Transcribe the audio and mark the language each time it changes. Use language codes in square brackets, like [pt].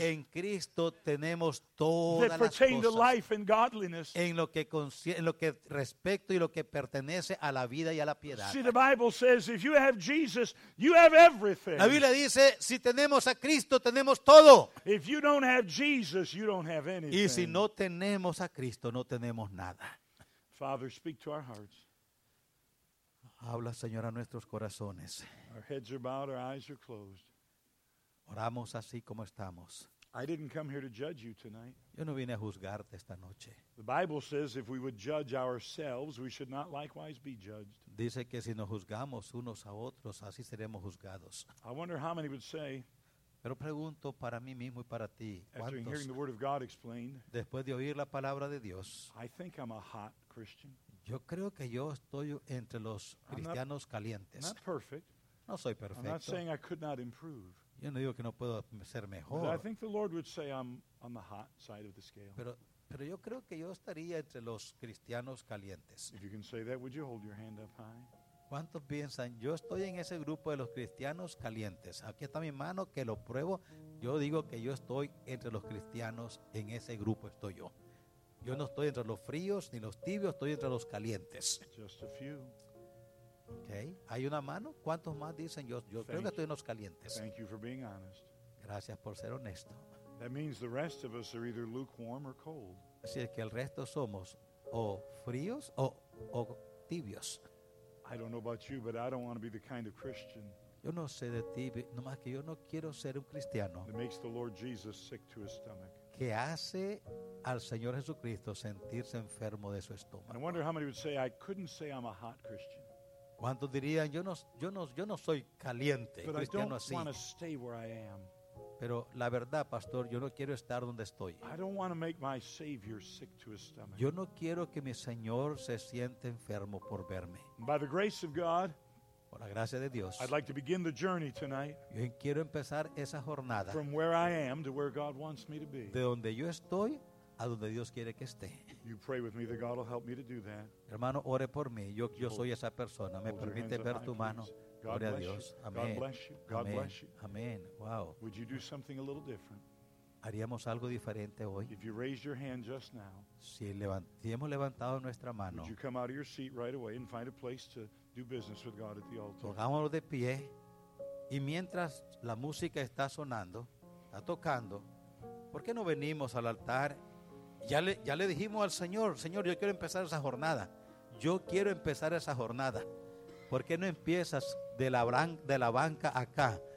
[es] en Cristo tenemos todas [en] that pertain [es] las cosas [en] to life and godliness. [es] En lo que respecto y lo que pertenece a la vida y a la piedad. [en] See, the Bible says, if you have Jesus, you have everything. [es] La Biblia dice, si tenemos a Cristo, tenemos todo. [en] If you don't have Jesus, you don't have anything. [es] Y si no tenemos a Cristo, no tenemos nada. [en] Father, speak to our hearts. [es] Habla, Señor, a nuestros corazones. [en] Our heads are bowed, our eyes are closed. [es] Oramos así como estamos. [en] I didn't come here to judge you tonight. [es] Yo no vine a juzgarte esta noche. [en] The Bible says if we would judge ourselves, we should not likewise be judged. [es] Dice que si nos juzgamos unos a otros, así seremos juzgados. [en] I wonder how many would say, [es] pero pregunto para mí mismo y para ti, ¿cuántos, [en] after hearing the word of God explained, [es] después de oír la palabra de Dios, [en] I think I'm a hot Christian. [es] Yo creo que yo estoy entre los cristianos calientes. [en] Not perfect. [es] No soy perfecto. [en] I'm not saying I could not improve. [es] Yo no digo que no puedo ser mejor. [en] But I think the Lord would say I'm on the hot side of the scale. [es] Pero yo creo que yo estaría entre los cristianos calientes. [en] If you can say that, would you hold your hand up high? [es] ¿Cuántos piensan? Yo estoy en ese grupo de los cristianos calientes. Aquí está mi mano, que lo pruebo. Yo digo que yo estoy entre los cristianos, en ese grupo estoy yo. Yo no estoy entre los fríos ni los tibios, estoy entre los calientes. [en] Just a few. [es] Okay. ¿Hay una mano? ¿Cuántos más dicen? Yo creo que estoy en los calientes. [en] Thank you for being honest. [es] Gracias por ser honesto. [en] That means the rest of us are either lukewarm or cold. [es] Así es que el resto somos o fríos o tibios. [en] I don't know about you, but I don't want to be the kind of Christian. [es] Yo no sé de ti, nomás que yo no quiero ser un cristiano [en] that makes the Lord Jesus sick to his stomach. [es] que hace al Señor Jesucristo sentirse enfermo de su estómago. [en] I wonder how many would say, I couldn't say I'm a hot Christian. [es] ¿Cuántos dirían, yo no soy caliente, cristiano así? [en] But I don't want to stay where I am. [es] Pero la verdad, pastor, yo no quiero estar donde estoy. [en] I don't want to make my Savior sick to his stomach. [es] Yo no quiero que mi Señor se siente enfermo por verme. [en] By the grace of God, [es] por la gracia de Dios, [en] I'd like to begin the journey tonight. [es] Yo quiero empezar esa jornada. [en] From where I am to where God wants me to be. [es] De donde yo estoy a donde Dios quiere que esté. [en] You pray with me that God will help me to do that. [es] Hermano, ore por mí. Yo soy esa persona. Me permite ver tu mano. Gloria a Dios. Amén. [en] God bless you. God bless you. [es] Amén. Wow. [en] Would you do something a little different? [es] Haríamos algo diferente hoy. [en] If you raised your hand just now. [es] Si hemos levantado nuestra mano. [en] Would you come out of your seat right away and find a place to do business with God at the altar? [es] Pongámonos de pie y mientras la música está sonando, está tocando, ¿por qué no venimos al altar? Ya le dijimos al Señor, Señor, yo quiero empezar esa jornada. Yo quiero empezar esa jornada. ¿Por qué no empiezas de la banca acá?